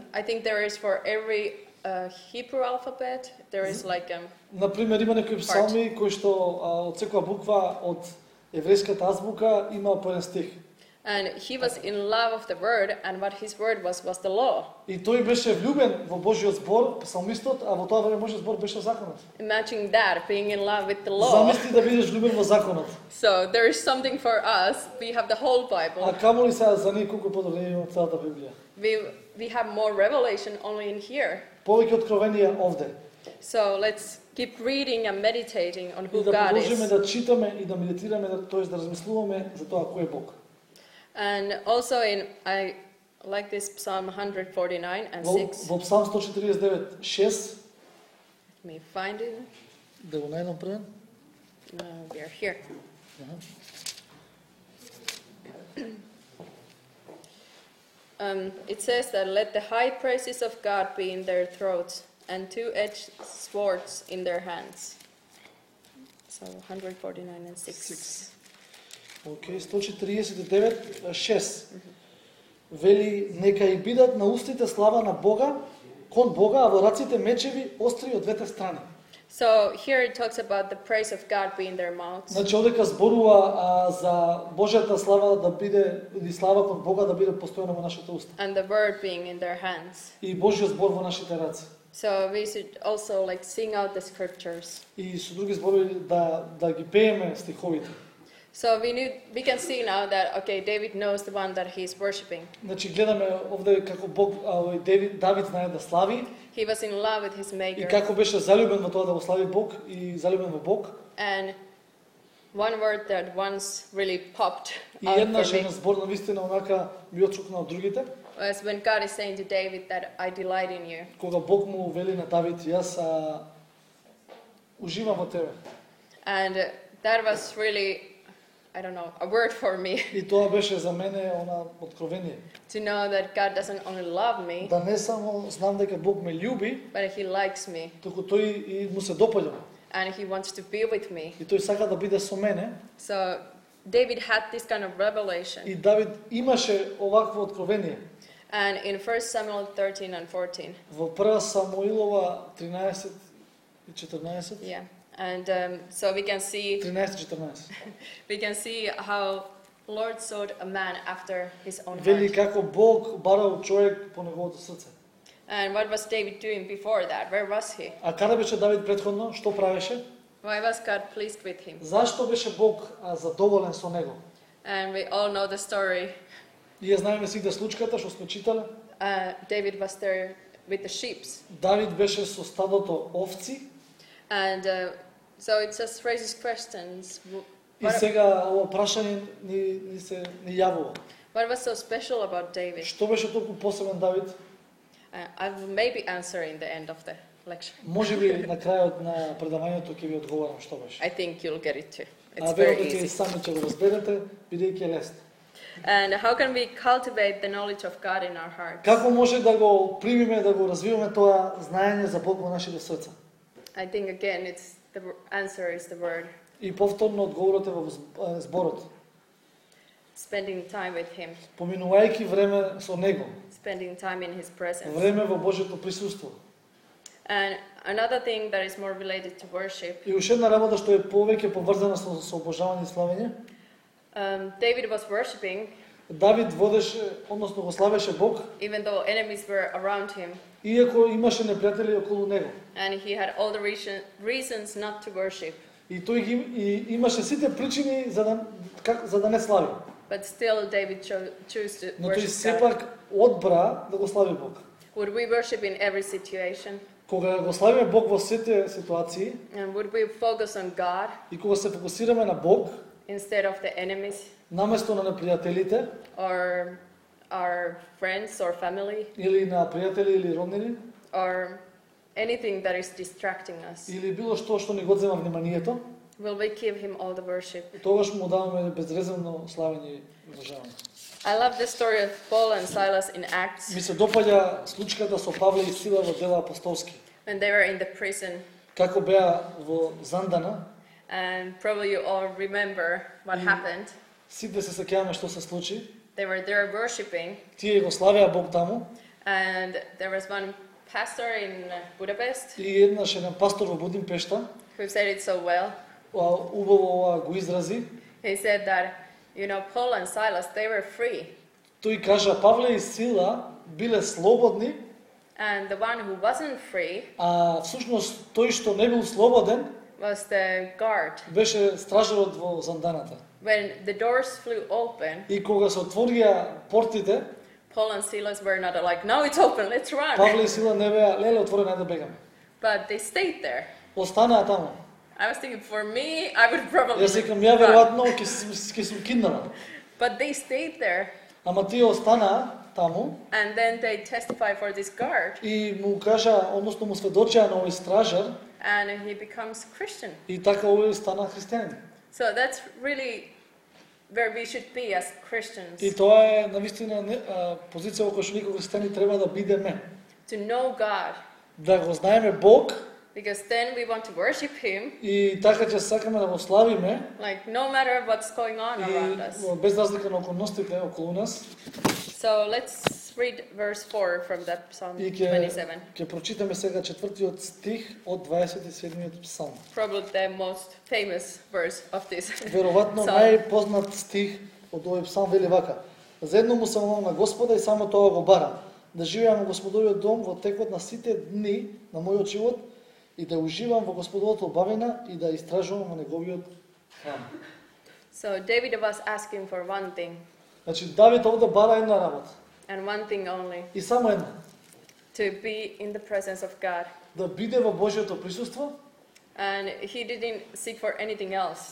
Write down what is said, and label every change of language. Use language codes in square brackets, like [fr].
[en] I think there is for every Hebrew alphabet there is like [mk] на пример има некои псалми кои што од секоја буква од еврејската азбука има по еден стих. [en] And he was in love of the word, and what his word was the law. [mk] И тој беше влюбен во Божјиот збор, псалмистот, а во тоа време Божјиот збор беше законот. [en] Imagine that, being in love with the law. [mk] Замисли да бидеш влюбен во законот. [en] So there is something for us. We have the whole Bible. [mk] А каму ли сега за ние колку подолгу имаме целата Библија? [en] We have more revelation only in here. [mk] Повеќе откровение овде. [en] So let's keep reading and meditating on who God is. [mk] И да продолжиме да читаме и да медитираме, тоа е да размислуваме за тоа кој е Бог. [en] And also in, I like this Psalm 149 and 6. [mk] Во Псалм 149, 6. [en] Let me find it. [mk] Да го најдам прв. [en] No, we are here. It says that let the high praises of God be in their throats and two-edged swords in their hands. So 149 and 6. [mk] Six. Океј, 149:6. Вели, нека и бидат на устите слава на Бога, кон Бога, а во раците мечеви остри од двете страни. [en] So here it talks about the praise of God being their mouths. [mk] Значи одека зборува за Божјата слава да биде или слава кон Бога да биде постојано во нашите уста. [en] And the word being in their hands. [mk] И Божјиот збор во нашите раце. [en] So we should also like sing out the scriptures. [mk] И со други зборови да ги пееме стиховите. [en] So we can see now that okay, David knows the one that he's worshiping. [mk] Значи гледаме овде како Бог, Давид знае да слави. [en] He was in love with his maker. [mk] И како беше заљубен во тоа да го слави Бог и заљубен во Бог. [en] And one word that once really popped [mk] И еднаш еден збор на вистина онака ми отчукна од другите. [en] Was when God is saying to David that I delight in you. [mk] Кога Бог му вели на Давид, јас уживам во тебе. [en] And that was really I don't know, a word for me. [mk] И тоа беше за мене она откровение. [en] To know that God doesn't only love me. [mk] Да не само знам дека Бог ме љуби, [en] but he likes me. [mk] Туку тој и му се допаѓам. [en] And he wants to be with me. [mk] И тој сака да биде со мене. [en] So David had this kind of revelation. [mk] И Давид имаше овакво откровение. [en] And in 1 Samuel 13 and 14. [mk] Во 1 Самуилова 13 и 14. [en] Yeah. And so we can see 13-14. We can see how Lord sought a man after his own heart. [mk] Вели како Бог барал човек по неговото срце. [en] And what was David doing before that? Where was he? [mk] А каде беше Давид претходно? Што правеше? [en] Why was God pleased with him? [mk] Зашто беше Бог задоволен со него? [en] And we all know the story. [mk] Ние знаеме сите случката што сме читале. [en] David was there with the sheep. [mk] Давид беше со стадото овци. [en] And so it just raises questions. [mk] И сега ова прашање ни се ни јавува. [en] What was so special about David? [mk] Што беше толку посебен Давид? [en] I maybe answer in the end of the lecture. [mk] Може би на крајот на предавањето ќе ви одговорам што беше. [en] I think you'll get it too. It's very easy. [mk] Ќе сами ќе го разберете, бидејќи е лесно. [en] And how can we cultivate the knowledge of God in our hearts? [mk] Како може да го примиме, да го развиваме тоа знаење за Бог во нашите срца? [en] I think again it's the answer is the word. [mk] И повторно одговорот е во зборот. [en] Spending time with him. [mk] Поминувајќи време со него. [en] Spending time in his presence. [mk] Време во Божјото присуство. [en] And another thing that is more related to worship. [mk] И уште една работа што е повеќе поврзана со обожавање и славење. [en] David was worshiping. [mk] Давид водеше, односно го славеше Бог. [en] Even though enemies were around him. [mk] Иако имаше непријатели околу него. [en] And he had all the reasons not to worship. [mk] И тој и имаше сите причини за да не слави. [en] But still David chose to worship. [mk] Но тој сепак одбра да го слави Бог. [en] Would we worship in every situation? [mk] Кога го славиме Бог во сите ситуации? [en] And would we focus on God? [mk] И кога се фокусираме на Бог? [en] Instead of the enemies? [mk] Наместо на непријателите? [en] Or our friends or family? [mk] Или на пријатели или роднини? [en] Or anything that is distracting us? [mk] Или било што што ни го одзема вниманието? [en] Will we give him all the worship? [mk] Тогаш му даваме безрезервно славење и уважавање. [en] I love the story of Paul and Silas in Acts. [mk] Ми се допаѓа случката со Павле и Сила во Дела апостолски. [en] When they were in the prison. [mk] Како беа во Зандана? [en] And probably you all remember what happened. [mk] Сите се сеќаваме што се случи. [en] They were there worshiping. [mk] Тие го славеа Бог таму. [en] And there was one pastor in Budapest. [mk] И еднаш еден пастор во Будимпешта. [en] Who said it so well. [mk] Убаво го изрази. [en] He said that You know, Paul and Silas, they were free. [mk] Tu i kaže Pavle i Sila bile slobodni. [en] And the one who wasn't free. [mk] A suštinski toj što ne bio slobodan. [en] Was the guard. [mk] Беше стражарот во зонданата. [en] When the doors flew open. [mk] И кога се отворија портите. [en] Paul and Silas were not like, now it's open, let's run. [mk] Павле и Сила не беа, леле отворен, ајде бегаме. [en] But they stayed there. [mk] Останаа таму. [en] I was thinking, for me, I would probably. [mk] Јас сакам, ја веројатно ќе сум киднала. [en] But they stayed there. [mk] Ама тие останаа таму. [en] And then they testify for this guard. [mk] И му кажа, односно му сведочеа на овој стражар. [en] And he becomes Christian. [mk] И така овој стана христијанин. [en] So that's really where we should be as Christians. [mk] И тоа е навистина позиција во која што никој христијанин треба да бидеме. [en] To know God. [mk] Да го знаеме Бог. [en] Because then we want to worship him. [mk] И така ќе сакаме да го славиме. [en] Like no matter what's going on around us. [mk] И без разлика на околностите околу нас. [en] So let's read verse 4 from that Psalm 27. [mk] Ќе прочитаме сега четвртиот стих од 27-миот псалм. [en] Probably the most famous verse of this. [mk] Веројатно најпознат стих од овој псалм вели вака: Заедно му се молам на Господа и само тоа го барам, да живеам во Господовиот дом во текот на сите дни на мојот живот. И да уживам во Господовата убавина и да истражувам во неговиот храм. [en] So David was asking for one thing. [mk] Значи Давид овде бара една работа. [en] And one thing only. [mk] И само една. [en] To be in the presence of God. [mk] Да биде во Божјото присуство. [en] And he didn't seek for anything else.